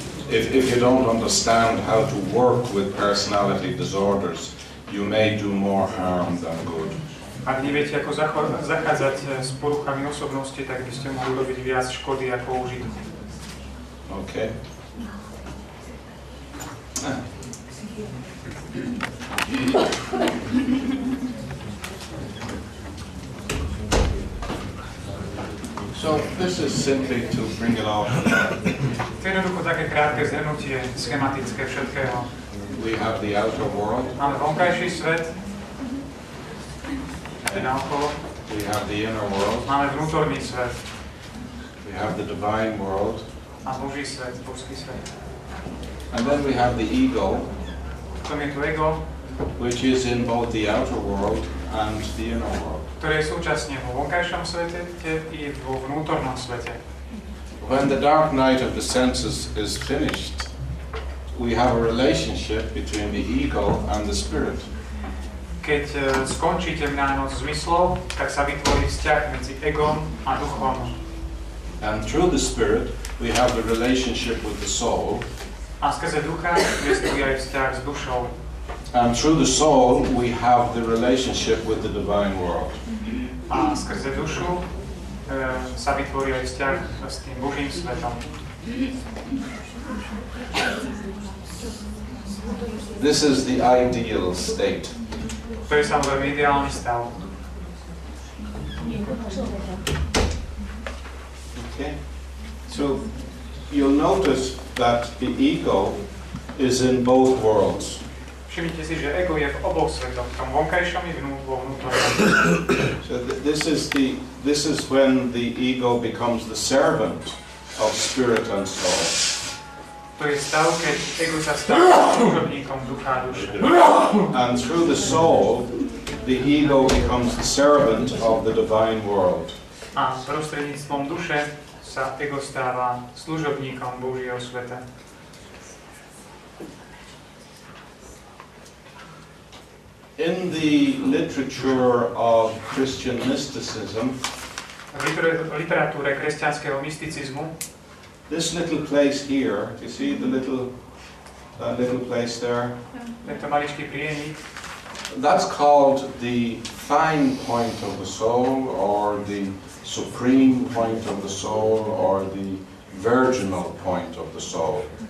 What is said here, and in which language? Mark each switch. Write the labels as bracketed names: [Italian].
[English] If you don't understand how to work with personality disorders, you may do more harm than good. [Slovak] Ak neviete, ako zacházať s poruchami osobnosti, tak by ste mohli robiť viac škody ako užitku. [English] OK. So this is simply to bring it all [Slovak] to je jednoducho také krátke zhrnutie schematické všetkého. [English] We have the outer world. [Slovak] Máme vonkajší svet. [English] We have the inner world. [Slovak] Máme vnútorný svet. [English] We have the divine world. [Slovak] A Boží svet, Božský svet. [English] And then we have the ego. [Slovak] Tam je to ego. [English] Which is in both the outer world and the inner world. [Slovak] Ktoré je súčasne vo vonkajšom svete, tie i vo vnútornom svete. [English] When the dark night of the senses is finished, we have a relationship between the ego and the spirit. [Slovak] Keď skončí temná noc zmyslov, tak sa vytvorí vzťah medzi egom a duchom. [English] And through the spirit we have the relationship with the soul. [Slovak] A skrze ducha jest vztah s duchou. [English] And through the soul we have the relationship with the divine world. [Slovak] A skrze dušu sa vytvorí aj vzťah s tým Božím svetom. [English] This is the ideal state. [Slovak] To je samozrejme ideálny stav. [English] Okay. So you'll notice that the ego is in both worlds. [Slovak] Všimnite si, že ego je v oboch svetoch, v tom vonkajšom i vnútornom. [English] So this is when the ego becomes the servant of spirit and soul. [Slovak] To je stav, keď ego sa stáva služobníkom ducha a duše. [English] And through the soul, the ego becomes the servant of the divine world. [Slovak] A prostredníctvom duše sa ego stáva služobníkom Božieho sveta. [English] In the literature of Christian mysticism, [Slovak] v literatúre kresťanského mysticizmu, [English] this little place here, you see the little little place there, [Slovak] tento maličký prieník, [English] that's called the fine point of the soul, or the supreme point of the soul, or the virginal point of the soul.